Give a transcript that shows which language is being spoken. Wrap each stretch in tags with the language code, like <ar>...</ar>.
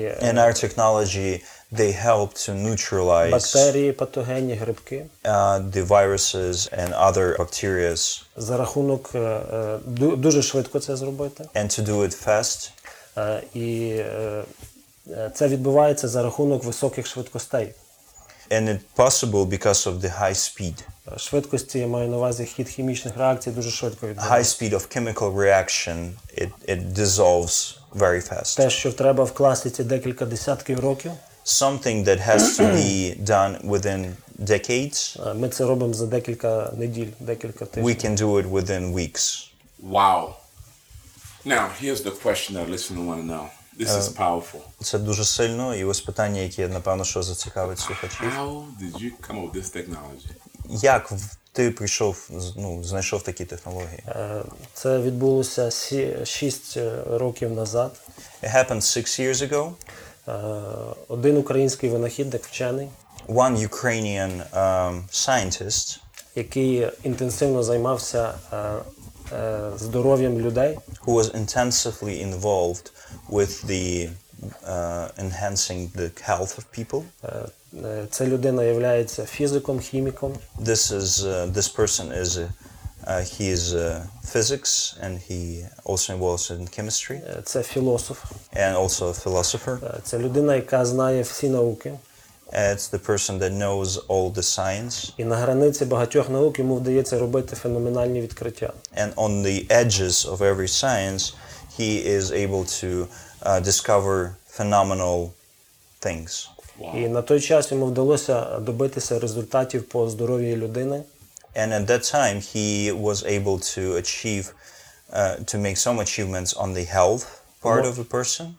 <en>in our technology they help to neutralize</en> <uk>бактерії, патогенні, грибки,</uk> <en>the viruses and other bacteria</en> <uk>за рахунок дуже швидко це зробити.</uk> <en>And to do it fast.</en> <uk>І це відбувається за рахунок високих швидкостей.</uk> <en>And it possible because of the high speed.</en> <uk>Швидкості, я маю на увазі, хід хімічних реакцій дуже швидко відбувається.</uk> <en>High speed of chemical reaction, it dissolves very fast.</en> <uk>Те, що треба вкласти це декілька десятків років.</uk> <en>Something that has to be done within decades.</en> <uk>Ми це робимо за декілька неділь, декілька тижнів.</uk> <en>We can do it within weeks. Wow. Now, here's the question that I listen to want to know. This is powerful.</en> <uk>Це дуже сильно, і ось питання, яке, напевно, що зацікавить слухачів.</uk> <en>How did you come up with this technology?</en> <uk>Як ти прийшов, ну, знайшов такі технології? Це відбулося 6 років назад.</uk> <en>It happened 6 years ago.</en> <uk>Один український винахідник, вчений.</uk> <en>One Ukrainian scientist.</en> <uk>Який інтенсивно займався здоров'ям людей.</uk> <en>Who was intensively involved with the enhancing the health of people.</en> <uk>Ця людина являється фізиком, хіміком.</uk> <en>This is this person is he is physics and he also involves in chemistry.</en> <uk>Це філософ.</uk> <en>And also a philosopher.</en> <uk>Це людина, яка знає всі науки.</uk> <en>It's the person that knows all the science.</en> <uk>І на границі багатьох наук йому вдається робити феноменальні відкриття.</uk> <en>And on the edges of every science, he is able to discover phenomenal things.</en> <uk>І на той час йому вдалося добитися результатів по здоров'ю людини.</uk> <en>And at that time he was able to achieve to make some achievements on the health part of a person.</en>